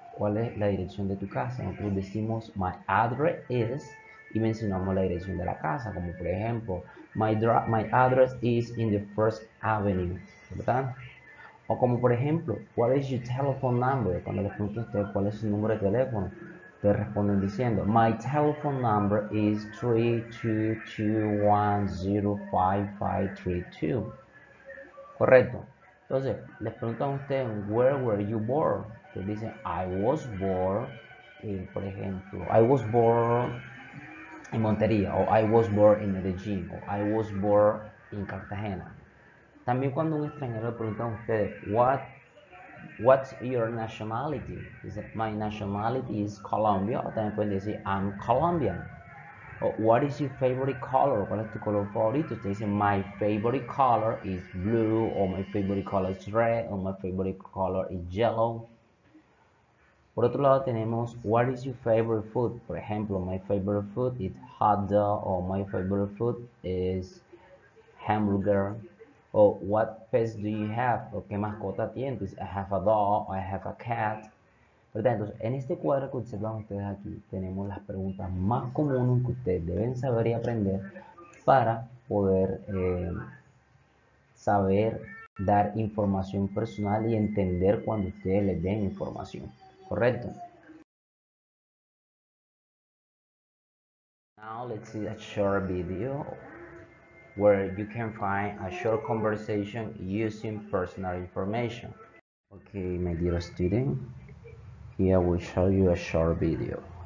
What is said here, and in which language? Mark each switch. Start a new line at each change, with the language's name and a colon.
Spanish: ¿Cuál es la dirección de tu casa? Nosotros decimos
English: My address is,
Spanish: y mencionamos la dirección de la casa, como por ejemplo
English: My address is in the First Avenue,
Spanish: ¿verdad? O como por ejemplo,
English: what is your telephone number?
Spanish: Cuando les pregunto a ustedes cuál es su número de teléfono, te responden diciendo,
English: my telephone number is 322105532.
Spanish: Correcto. Entonces, les preguntan a ustedes,
English: where were you born?
Spanish: Te dicen,
English: I was born, por ejemplo, I was born en Montería, o I was born in Medellín, o I was born in Cartagena.
Spanish: También cuando un extranjero le pregunta a ustedes,
English: what's your nationality? Dice, my nationality is Colombia.
Spanish: O también pueden decir,
English: I'm Colombian. O, what is your favorite color?
Spanish: ¿Cuál es tu color favorito? Usted dice,
English: my favorite color is blue, o my favorite color is red, o my favorite color is yellow.
Spanish: Por otro lado tenemos,
English: what is your favorite food?
Spanish: Por ejemplo,
English: my favorite food is hot dog, o my favorite food is hamburger. O, what pets do you have? O,
Spanish: ¿qué mascota tienes?
English: I have a dog, o I have a cat. ¿Verdad?
Spanish: Entonces, en este cuadro que observan ustedes aquí, tenemos las preguntas más comunes que ustedes deben saber y aprender para poder saber dar información personal y entender cuando ustedes les den información, ¿correcto?
English: Now let's see a short video where you can find a short conversation using personal information. Okay, my dear student, here we show you a short video.